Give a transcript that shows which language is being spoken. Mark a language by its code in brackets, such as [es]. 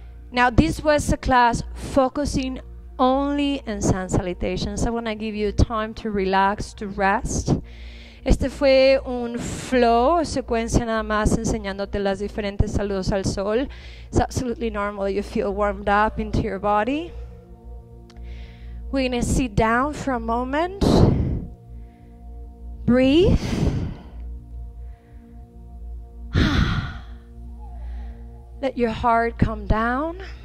[en] Now, this was a class focusing only in sun salutations. I want to give you time to relax, to rest. [es] Este fue un flow, secuencia nada más, enseñándote las diferentes saludos al sol. [en] It's absolutely normal that you feel warmed up into your body. We're going to sit down for a moment. Breathe. Let your heart come down.